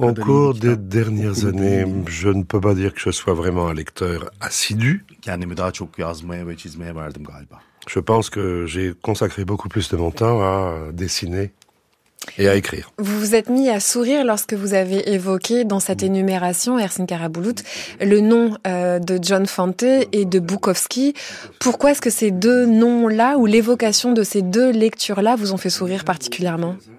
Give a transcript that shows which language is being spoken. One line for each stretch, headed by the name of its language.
Turkish: kadar.
French: Au cours des dernières années, je ne peux pas dire que je sois vraiment un lecteur assidu.
Turkish: Kendimi daha çok yazmaya ve çizmeye verdim galiba.
French: Je pense que j'ai consacré beaucoup plus de mon temps à dessiner. Et à écrire. Vous vous êtes mis à sourire lorsque vous avez évoqué dans cette énumération, Ersine Karabulut, le nom de John Fante et de Bukowski. Pourquoi est-ce que ces deux noms-là ou l'évocation de ces deux lectures-là vous ont fait sourire particulièrement?